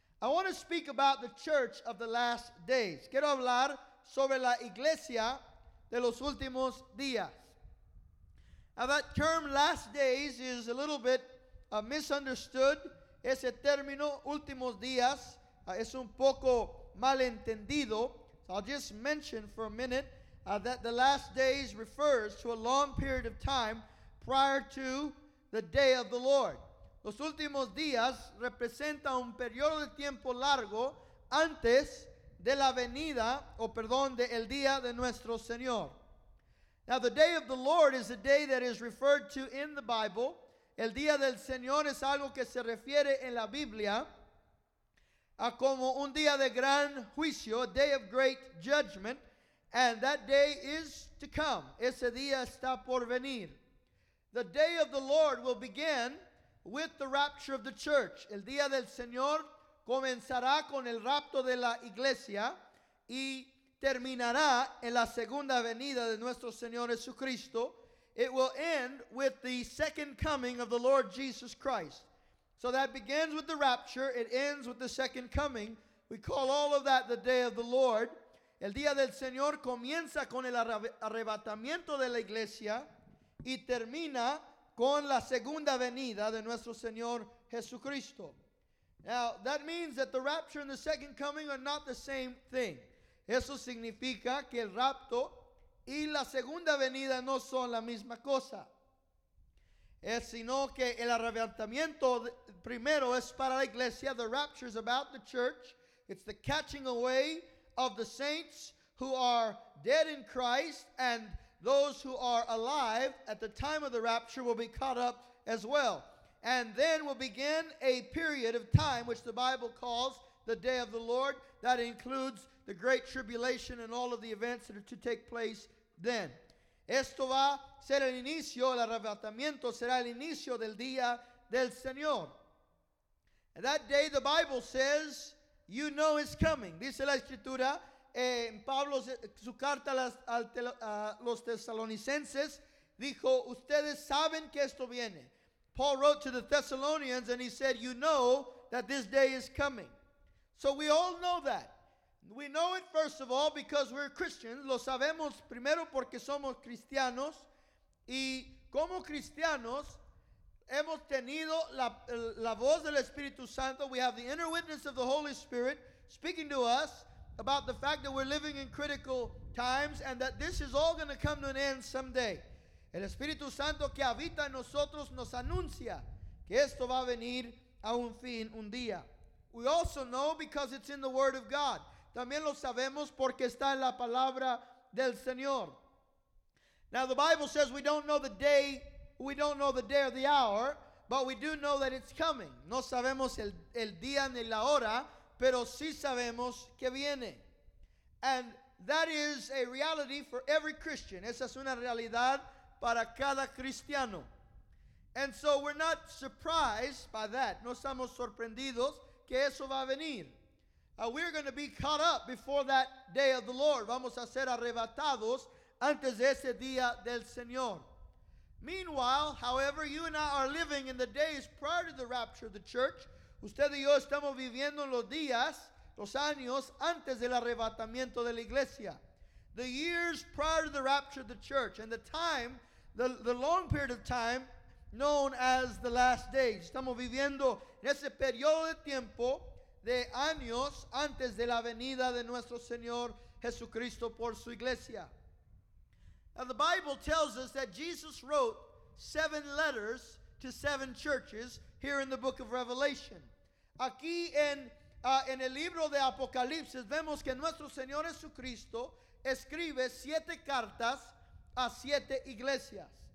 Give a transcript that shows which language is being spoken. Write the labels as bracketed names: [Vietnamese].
[English] I want to speak about the church of the last days. [Spanish] Quiero hablar sobre la iglesia de los últimos días. [English] Now that term last days is a little bit misunderstood. [Spanish] Ese término últimos días es un poco malentendido. [English] So I'll just mention for a minute that the last days refers to a long period of time prior to the day of the Lord. [Spanish] Los últimos días representa un periodo de tiempo largo antes de la venida, o perdón, de el día de nuestro Señor. [English] Now, the day of the Lord is a day that is referred to in the Bible. [Spanish] El día del Señor es algo que se refiere en la Biblia a como un día de gran juicio, [English] a day of great judgment, [Spanish] and that day is to come. Ese día está por venir. [English] The day of the Lord will begin with the rapture of the church. [Spanish] El día del Señor comenzará con el rapto de la iglesia y terminará en la segunda venida de nuestro Señor Jesucristo. [English] It will end with the second coming of the Lord Jesus Christ. So that begins with the rapture. It ends with the second coming. We call all of that the day of the Lord. [Spanish] El día del Señor comienza con el arrebatamiento de la iglesia y termina con la segunda venida de nuestro Señor Jesucristo. [English] Now, that means that the rapture and the second coming are not the same thing. [Spanish] Eso significa que el rapto y la segunda venida no son la misma cosa. Es sino que el arrebatamiento primero es para la iglesia. [English] The rapture is about the church. It's the catching away of the saints who are dead in Christ, and those who are alive at the time of the rapture will be caught up as well. And then will begin a period of time which the Bible calls the day of the Lord. That includes the great tribulation and all of the events that are to take place then. [Spanish] Esto va a ser el inicio, el arrebatamiento será el inicio del día del Señor. [English] And that day the Bible says, you know it's coming. [Spanish] Dice la Escritura, en Pablo, su carta a los Tesalonicenses, dijo, ustedes saben que esto viene. [English] Paul wrote to the Thessalonians and he said, you know that this day is coming. So we all know that. We know it, first of all, because we're Christians. [Spanish] Lo sabemos primero porque somos cristianos. Y como cristianos, hemos tenido la voz del Espíritu Santo. [English] We have the inner witness of the Holy Spirit speaking to us about the fact that we're living in critical times and that this is all going to come to an end someday. [Spanish] El Espíritu Santo que habita en nosotros nos anuncia que esto va a venir a un fin un día. [English] We also know because it's in the Word of God. [Spanish] También lo sabemos porque está en la palabra del Señor. [English] Now the Bible says we don't know the day or the hour, but we do know that it's coming. [Spanish] No sabemos el día ni la hora, pero sí sabemos que viene. [English] And that is a reality for every Christian. [Spanish] Esa es una realidad para cada cristiano. [English] And so we're not surprised by that. [Spanish] No estamos sorprendidos que eso va a venir. [English] We're going to be caught up before that day of the Lord. [Spanish] Vamos a ser arrebatados antes de ese día del Señor. [English] Meanwhile, however, you and I are living in the days prior to the rapture of the church. [Spanish] Usted y yo estamos viviendo en los días, los años, antes del arrebatamiento de la iglesia. [English] The years prior to the rapture of the church and the time, the long period of time known as the last days. [Spanish] Estamos viviendo en ese periodo de tiempo de años antes de la venida de nuestro Señor Jesucristo por su iglesia. [English] Now the Bible tells us that Jesus wrote seven letters to seven churches here in the book of Revelation. [Spanish] Aquí en el libro de Apocalipsis vemos que nuestro Señor Jesucristo escribe siete cartas a siete iglesias.